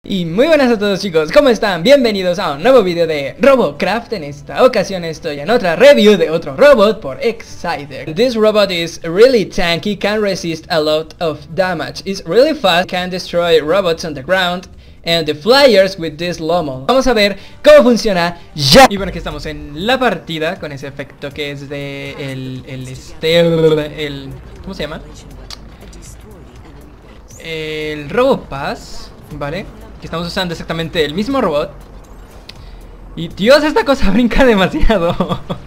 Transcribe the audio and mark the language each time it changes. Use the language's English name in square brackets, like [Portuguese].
[Spanish] Y muy buenas a todos chicos, ¿cómo están? Bienvenidos a un nuevo video de RoboCraft. En esta ocasión estoy en otra review de otro robot por Exciter. [English] This robot is really tanky, can resist a lot of damage, is really fast, can destroy robots on the ground and the flyers with this lomo. [Spanish] Vamos a ver cómo funciona ya. Y bueno, aquí estamos en la partida con ese efecto que es de el ¿cómo se llama? El RoboPass, ¿vale? Que estamos usando exactamente el mismo robot. Y Dios, esta cosa brinca demasiado.